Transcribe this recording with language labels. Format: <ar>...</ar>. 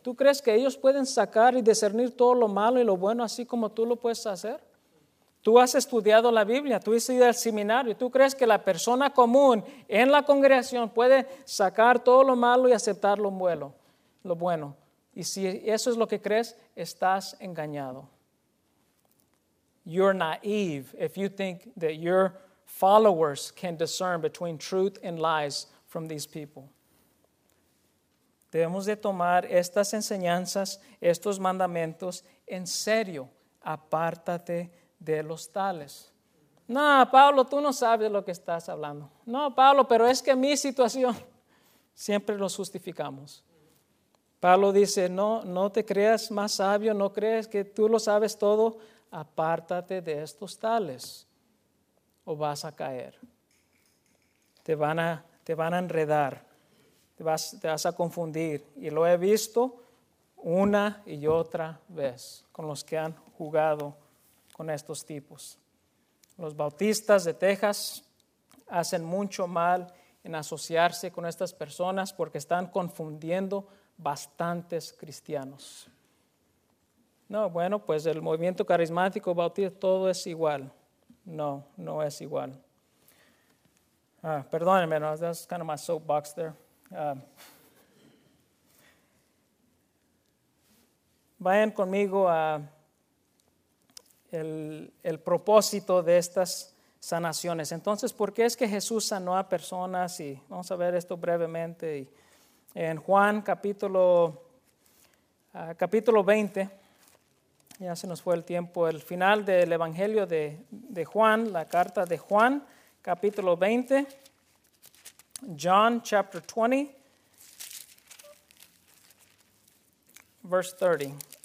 <es>¿Tú crees que ellos pueden sacar y discernir todo lo malo y lo bueno así como tú lo puedes hacer? Tú has estudiado la Biblia, tú has ido al seminario. ¿Tú crees que la persona común en la congregación puede sacar todo lo malo y aceptar lo bueno? Y si eso es lo que crees, estás engañado.</es> <en>You're naive if you think that your followers can discern between truth and lies from these people.</en> <es>Debemos de tomar estas enseñanzas, estos mandamientos en serio. Apártate de los tales. No, Pablo, tú no sabes lo que estás hablando. No, Pablo, pero es que mi situación. Siempre lo justificamos. Pablo dice, no, no te creas más sabio, no crees que tú lo sabes todo, apártate de estos tales o vas a caer. Te van a enredar, te vas a confundir. Y lo he visto una y otra vez con los que han jugado con estos tipos. Los bautistas de Texas hacen mucho mal en asociarse con estas personas porque están confundiendo bastantes cristianos. No, bueno, pues el movimiento carismático bautista, todo es igual. No, no es igual. Perdónenme, no,</es> <en>that's kind of my soapbox there.</en> <es>Vayan conmigo a el propósito de estas sanaciones. Entonces, ¿por qué es que Jesús sanó a personas? Y vamos a ver esto brevemente. Y en Juan capítulo 20, ya se nos fue el tiempo, el final del Evangelio de Juan, la carta de Juan, capítulo 20,</es> <en>John chapter 20, verse 30.</en>